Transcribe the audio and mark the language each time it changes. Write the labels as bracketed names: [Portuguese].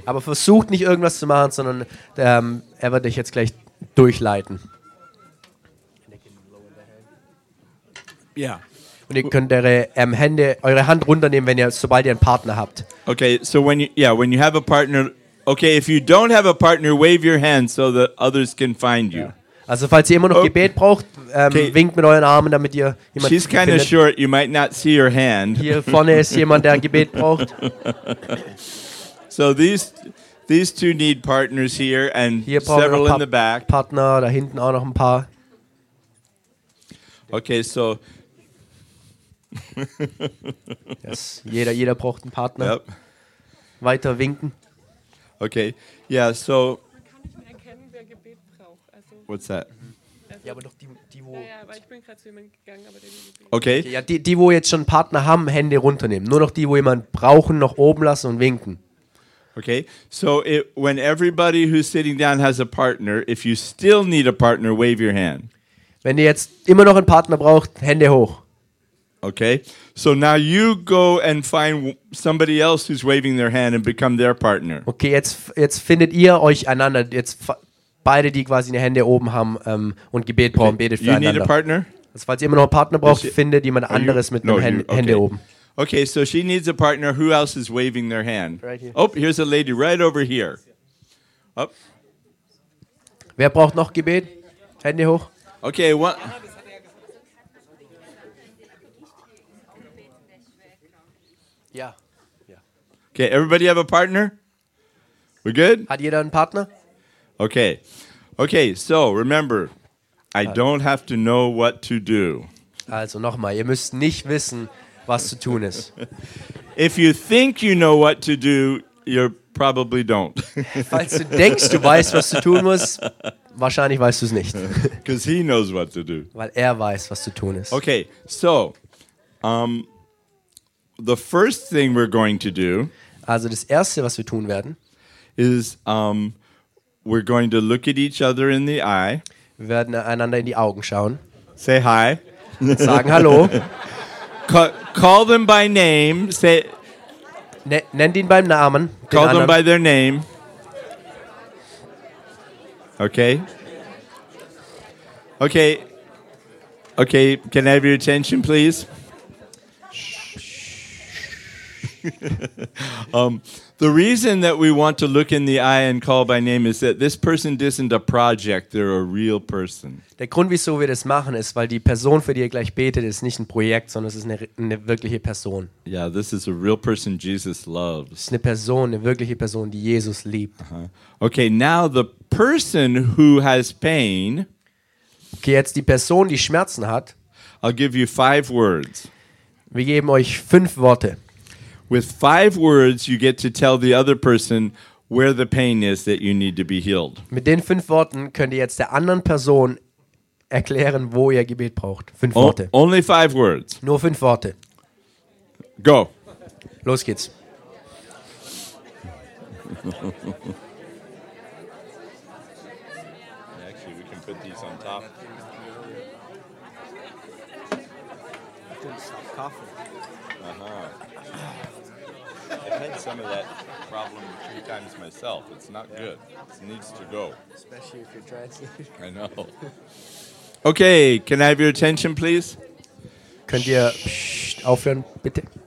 [German] Aber versucht nicht irgendwas zu machen, sondern er wird dich jetzt gleich durchleiten. Ja. Yeah. Und ihr könnt eure Hand runternehmen, sobald ihr einen Partner habt. [English] Okay, so when you have a partner, okay, if you don't have a partner, wave your hand so that others can find you. [German] Also falls ihr immer noch Gebet braucht, winkt mit euren Armen, damit ihr jemanden findet. [English] She's kind of short, you might not see her hand. [German] Hier vorne ist jemand, der ein Gebet braucht. [English] So these two need partners here and several in the back. [German] Partner, da hinten auch noch ein paar. [English] Okay, so [German] yes, jeder braucht einen Partner. [English] Yep. [German] Weiter winken. [English] Okay. Yeah, so [German] kann ich erkennen, wer Gebet braucht? Also [English] what's that? [German] Also ja, aber doch die wo. Ja, aber ich bin gerade zu jemandem gegangen, aber der Gebet. [English] Okay. [German] Ja, die wo jetzt schon einen Partner haben, Hände runternehmen. Nur noch die, wo jemand brauchen, noch oben lassen und winken. [English] Okay. So when everybody who's sitting down has a partner, if you still need a partner, wave your hand. [German] Wenn ihr jetzt immer noch einen Partner braucht, Hände hoch. [English] Okay, so now you go and find somebody else who's waving their hand and become their partner. [German] Okay, jetzt findet ihr euch einander. Jetzt beide, die quasi eine Hände oben haben und Gebet brauchen, betet füreinander. [English] You need a partner? [German] Also falls ihr immer noch einen Partner braucht, findet jemand anderes mit einem Hände oben. [English] Okay, so she needs a partner. Who else is waving their hand? Right here. Oh, here's a lady right over here. Oh. [German] Wer braucht noch Gebet? Hände hoch. [English] Okay, what? Okay, everybody have a partner? We're good? [German] Hat jeder einen Partner? [English] Okay. Okay, so remember, I don't have to know what to do. [German] Also nochmal, ihr müsst nicht wissen, was zu tun ist. [English] If you think you know what to do, you probably don't. [German] Falls du denkst, du weißt, was zu tun musst, wahrscheinlich weißt du es nicht. [English] Because he knows what to do. [German] Weil weiß, was zu tun ist. [English] Okay, so the first thing we're going to do, [German] also das erste, was wir tun werden, [English] is we're going to look at each other in the eye. [German] Wir werden einander in die Augen schauen. [English] Say hi. [German] Sagen hallo. [English] Call them by name. Say. [German] Nennt ihn beim Namen. [English] Call them by their name. Okay. Okay. Okay. Can I have your attention, please? the reason that we want to look in the eye and call by name is that this person isn't a project, they're a real person. [German] Der Grund, wieso wir das machen, ist, weil die Person, für die ihr gleich betet, ist nicht ein Projekt, sondern es ist eine wirkliche Person. [English] Yeah, this is a real person Jesus loves. [German] Es ist eine Person, eine wirkliche Person, die Jesus liebt. [English] Okay, now the person who has pain. [German] Okay, jetzt die Person, die Schmerzen hat. [English] I'll give you five words. [German] Wir geben euch fünf Worte. [English] With five words, you get to tell the other person where the pain is that you need to be healed. [German] Mit den fünf Worten könnt ihr jetzt der anderen Person erklären, wo ihr Gebet braucht. Fünf Worte. [English] Only five words. [German] Nur fünf Worte. [English] Go. [German] Los geht's. [English] Actually, we can put these on top. Some of that problem a few times myself. It's not good. It needs to go. Especially if you're dressed. I know. Okay, can I have your attention, please? [German] Könnt ihr aufhören, bitte?